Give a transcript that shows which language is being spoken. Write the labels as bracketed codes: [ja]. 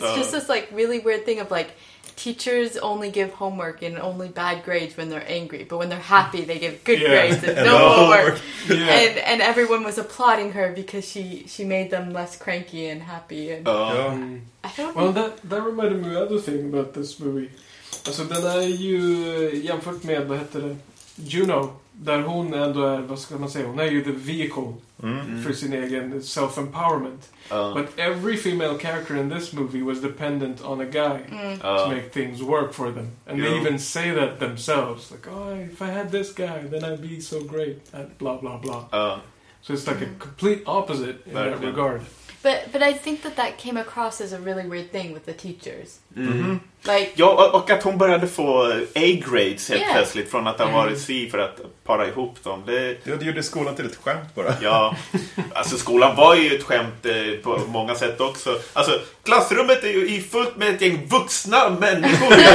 [en] And it's just this, like, really weird thing of, like, teachers only give homework and only bad grades when they're angry. But when they're happy, they give good grades and no homework. Yeah. And everyone was applauding her because she made them less cranky and happy. And that reminded me of another thing about this movie. [sv] Alltså den är ju jämfört med, vad heter det, Juno, där hon ändå är, vad ska man säga, hon är ju [en] the vehicle [sv] för sin egen self-empowerment. [en] But every female character in this movie was dependent on a guy to make things work for them. And they even say that themselves, like, if I had this guy, then I'd be so great at blah, blah, blah. So it's like a complete opposite in that regard. But I think that came across as a really weird thing with the teachers. Like, [sv] ja, och att hon började få A-grades helt plötsligt från att ha varit C för att para ihop dem. Det gjorde skolan till ett skämt bara. Ja, alltså skolan var ju ett skämt på många sätt också. Alltså, klassrummet är ju fullt med ett gäng vuxna människor.